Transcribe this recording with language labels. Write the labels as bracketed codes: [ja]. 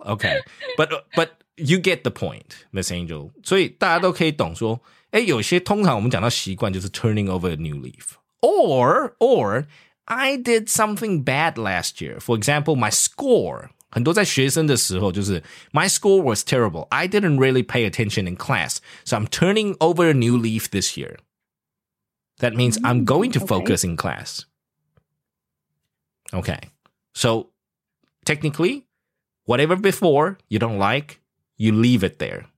[en] Okay, but you get the point, Miss Angel. [zh] 所以大家都可以懂说，哎，有些通常我们讲到习惯就是 [en] turning over a new leaf. Or, I did something bad last year. For example, my score. [zh] 很多在学生的时候就是 [en] my score was terrible. I didn't really pay attention in class. So I'm turning over a new leaf this year. That means I'm going to focus in class. Okay. So technically, whatever before you don't like, you leave it there.